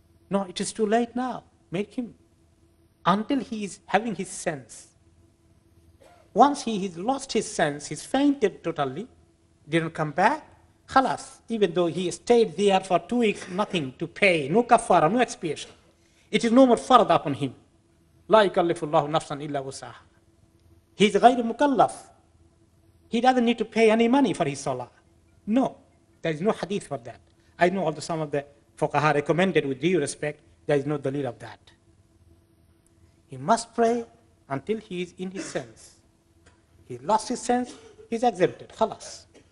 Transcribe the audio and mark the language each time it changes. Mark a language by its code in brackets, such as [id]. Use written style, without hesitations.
[en] No, it is too late now. Make him, until he is having his sense. Once he has lost his sense, he's fainted totally, didn't come back, khalas, even though he stayed there for 2 weeks, nothing to pay, no kafara, no expiation. It is no more farad upon him. [ar] لا يكلف الله نفسا إلا وسعها. [en] He is [ar] غير مكلف. [en] He doesn't need to pay any money for his salah. No, there is no hadith for that. I know although some of the fuqaha recommended with due respect, there is no dalil of that. He must pray until he is in his sense. He lost his sense, he's exempted. Khalas.